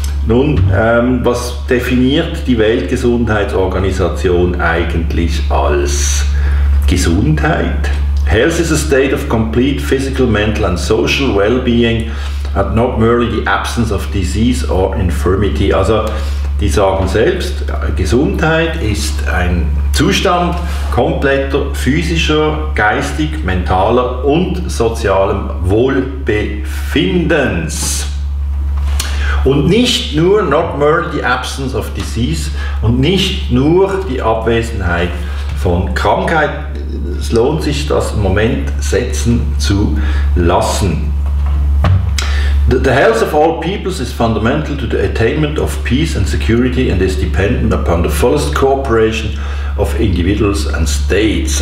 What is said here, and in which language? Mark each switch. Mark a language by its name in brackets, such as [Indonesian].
[German] Nun, was definiert die Weltgesundheitsorganisation eigentlich als Gesundheit? [English] Health is a state of complete physical, mental and social well-being and not merely the absence of disease or infirmity. [German] Also, die sagen selbst, Gesundheit ist ein Zustand kompletter physischer, geistig, mentaler und sozialem Wohlbefindens. Und nicht nur, [English] not merely the absence of disease, [German] und nicht nur die Abwesenheit von Krankheit. Es lohnt sich, das im Moment setzen zu lassen. [English] The health of all peoples is fundamental to the attainment of peace and security and is dependent upon the fullest cooperation of individuals and states.